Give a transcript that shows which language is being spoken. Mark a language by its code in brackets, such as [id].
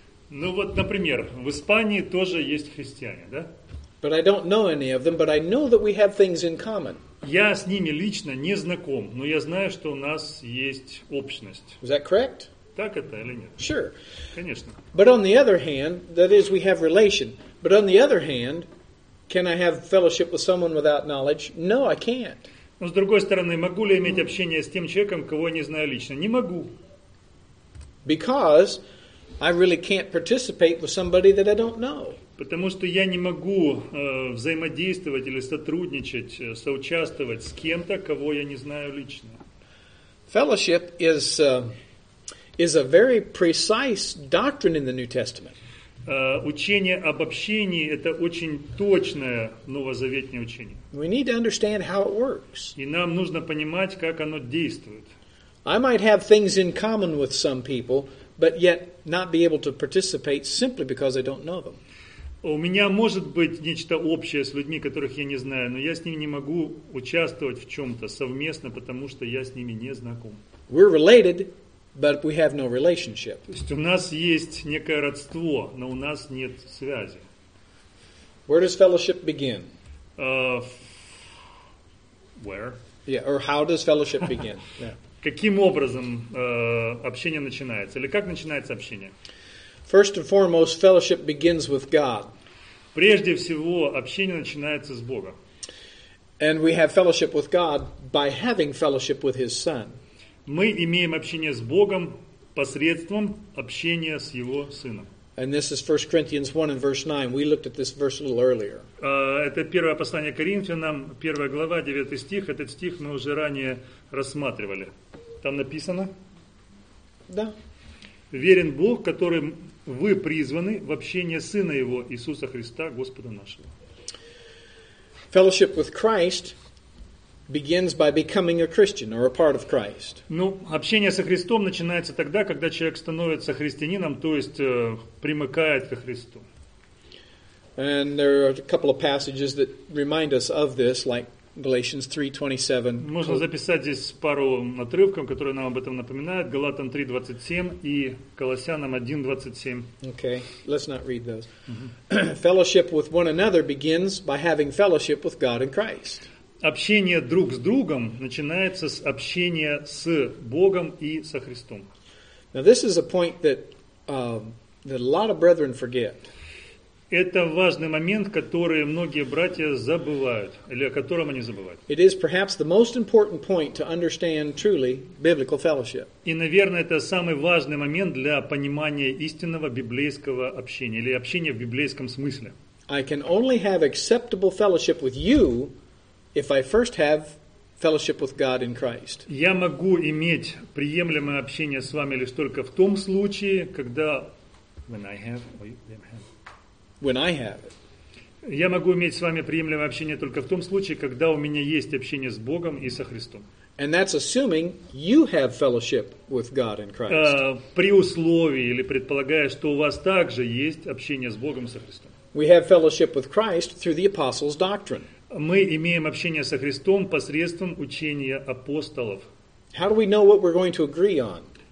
[ru] Ну вот, например, в Испании тоже есть христиане, да? [en] But I don't know any of them, but I know that we have things in common. [ru] Я с ними лично не знаком, но я знаю, что у нас есть общность. [en] Is that correct? [ru] Так это или нет? [en] Sure. [ru] Конечно. [en] But on the other hand, that is, we have relation. But on the other hand, can I have fellowship with someone without knowledge? No, I can't. [ru] Но с другой стороны, могу ли я иметь общение с тем человеком, кого я не знаю лично? Не могу. [en] Because I really can't participate with somebody that I don't know. [ru] Потому что я не могу взаимодействовать или сотрудничать, соучаствовать с кем-то, кого я не знаю лично. [en] Fellowship is a very precise doctrine in the New Testament. [ru] Учение об общении – это очень точное новозаветное учение. [en] We need to understand how it works. [ru] И нам нужно понимать, как оно действует. [en] I might have things in common with some people, but yet not be able to participate simply because I don't know them. [ru] У меня может быть нечто общее с людьми, которых я не знаю, но я с ними не могу участвовать в чем-то совместно, потому что я с ними не знаком. [en] We're related, but we have no relationship. [ru] То есть у нас есть некое родство, но у нас нет связи. [en] Where does fellowship begin? Where? Yeah, or how does fellowship begin? Yeah. [ru] Каким образом общение начинается? Или как начинается общение? [en] First and foremost, fellowship begins with God. [ru] Прежде всего, общение начинается с Бога. [en] And we have fellowship with God by having fellowship with His Son. [ru] Мы имеем общение с Богом посредством общения с Его Сыном. [en] And this is 1 Corinthians 1 and verse 9. We looked at this verse a little earlier. [ru] Это первое послание Коринфянам, первая глава, 9 стих. Этот стих мы уже ранее рассматривали. Там написано? Да. Верен Бог, которым вы призваны в общение Сына Его, Иисуса Христа, Господа нашего. [en] Fellowship with Christ begins by becoming a Christian or a part of Christ. [ru] Ну, общение со Христом начинается тогда, когда человек становится христианином, то есть примыкает ко Христу. [en] And there are a couple of passages that remind us of this, like Galatians 3:27. [ru] Можно записать здесь пару отрывков, которые нам об этом напоминают. Галатам 3:27 и Колоссянам 1:27. [en] Okay, let's not read those. Mm-hmm. Fellowship with one another begins by having fellowship with God and Christ. [ru] Общение друг с другом начинается с общения с Богом и со Христом. [en] Now this is a point that that a lot of brethren forget. [ru] Это важный момент, который многие братья забывают, или о котором они забывают. [en] It is perhaps the most important point to understand truly biblical fellowship. [ru] И, наверное, это самый важный момент для понимания истинного библейского общения, или общения в библейском смысле. [en] I can only have acceptable fellowship with you if I first have fellowship with God in Christ. [ru] Я могу иметь приемлемое общение с вами лишь только в том случае, когда... [en] When I have... When I have it. [ru] Я могу иметь с вами приемлемое общение только в том случае, когда у меня есть общение с Богом и со Христом. [en] And that's assuming you have fellowship with God in Christ. [ru] При условии или предполагая, что у вас также есть общение с Богом и со Христом. [en] We have fellowship with Christ through the apostles' doctrine. [ru] Мы имеем общение со Христом посредством учения апостолов. [en] How do we know what we're going to agree on?